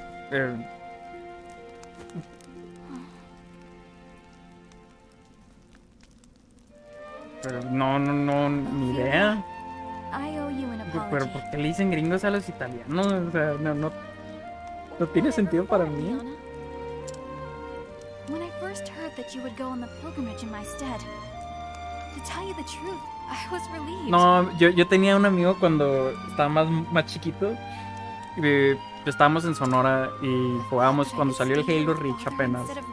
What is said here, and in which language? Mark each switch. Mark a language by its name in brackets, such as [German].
[Spanish] Pero... Pero no, ni idea. [English] I owe you an apology. [Spanish] Pero ¿por qué le dicen gringos a los italianos? O sea, no tiene sentido para mí. [English] When I first heard that you would go on the pilgrimage in my stead, to tell you the truth, I was relieved. [Spanish] No, yo tenía un amigo cuando estaba más chiquito. Estábamos en Sonora y jugábamos cuando salió el Halo Reach apenas.